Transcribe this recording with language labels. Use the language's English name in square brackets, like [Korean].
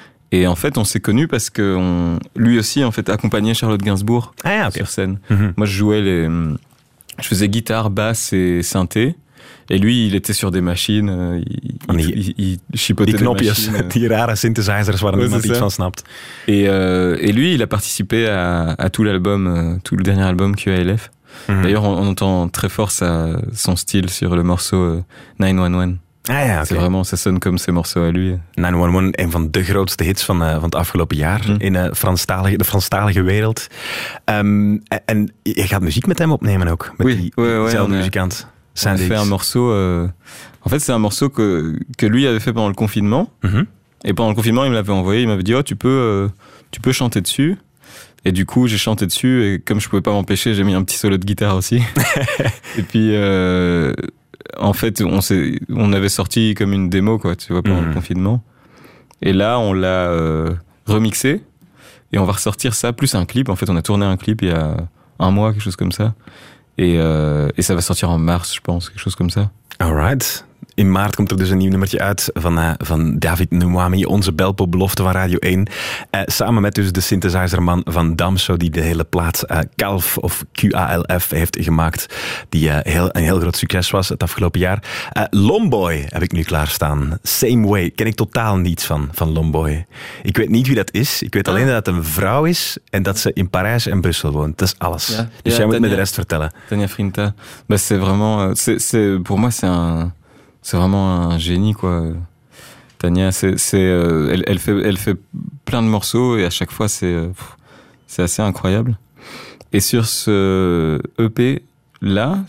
[French] Et en fait, on s'est connus parce que lui aussi, en fait, accompagnait Charlotte Gainsbourg sur scène. Mm-hmm. Moi, je faisais guitare, basse et synthé. Et lui, il était sur des machines, il chipotait des knopjes, machines. [Dutch] Die rare synthesizers waar niemand iets van snapt. [French] Et lui, il a participé à tout l'album, tout le dernier album QALF. Mm-hmm. D'ailleurs, on entend très fort son style sur le morceau 911. [Dutch] Ah ja, okay. [French] C'est vraiment, ça sonne comme ses morceaux à lui. [Dutch] 911, een van de grootste hits van het afgelopen jaar in de Franstalige wereld. En je gaat muziek met hem opnemen ook, met diezelfde muzikant. [French] On a fait un morceau. En fait, c'est un morceau que lui avait fait pendant le confinement. Mm-hmm. Et pendant le confinement, il me l'avait envoyé. Il m'avait dit, oh, tu peux chanter dessus. Et du coup, j'ai chanté dessus. Et comme je pouvais pas m'empêcher, j'ai mis un petit solo de guitare aussi. Et puis, en fait, on avait sorti comme une démo, quoi. Tu vois, pendant le confinement. Et là, on l'a remixé. Et on va ressortir ça plus un clip. En fait, on a tourné un clip il y a un mois, quelque chose comme ça. Et ça va sortir en mars, je pense, quelque chose comme ça. [English] Alright. [Dutch] In maart komt er dus een nieuw nummertje uit van David Nwami, onze Belpo-belofte van Radio 1. Samen met dus de synthesizerman van Damso, die de hele plaat KALF of QALF heeft gemaakt, die een heel groot succes was het afgelopen jaar. Lomboy heb ik nu klaarstaan. Same Way, ken ik totaal niets van Lomboy. Ik weet niet wie dat is, ik weet alleen dat het een vrouw is en dat ze in Parijs en Brussel woont. Dat is alles. Ja. Dus ja, jij Tania, moet me de rest vertellen. [French] Tania Frinta, c'est vraiment, c'est, pour moi c'est un... C'est vraiment un génie, quoi. Tania, elle fait plein de morceaux et à chaque fois, c'est assez incroyable. Et sur ce EP, là.